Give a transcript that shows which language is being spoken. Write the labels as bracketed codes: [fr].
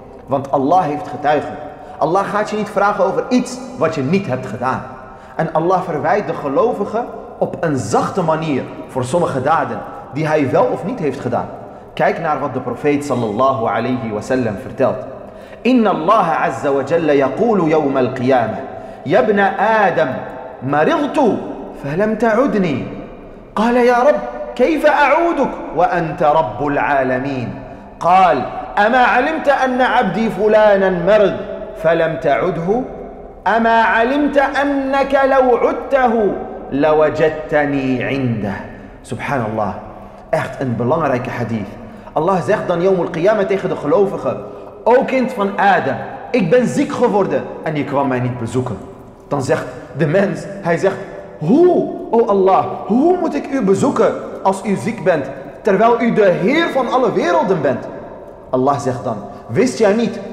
[nl] Want Allah heeft getuigen. Allah gaat je niet vragen over iets wat je niet hebt gedaan. En Allah verwijt de gelovigen op een zachte manier voor sommige daden die hij wel of niet heeft gedaan. Kijk naar wat de profeet sallallahu alayhi wa sallam vertelt. [ar] Inna Allah azza wa jalla yaqulu yawm al-qiyamah: يا ابن آدم مرضت فلم تعدني قال يا رب كيف أعودك وأنت رب العالمين قال أما علمت أن عبدي فلانا مرض فلم تعده أما علمت أنك لو عدته لوجدتني عنده. سبحان الله. [nl] Echt een belangrijke hadith. Allah zegt dan [ar] يوم القيامة [nl] tegen de gelovigen: O kind van Adam, ik ben ziek geworden en je kwam mij niet bezoeken. Dan zegt de mens, hij zegt: hoe, o Allah, hoe moet ik u bezoeken als u ziek bent, terwijl u de Heer van alle werelden bent? Allah zegt dan: wist jij niet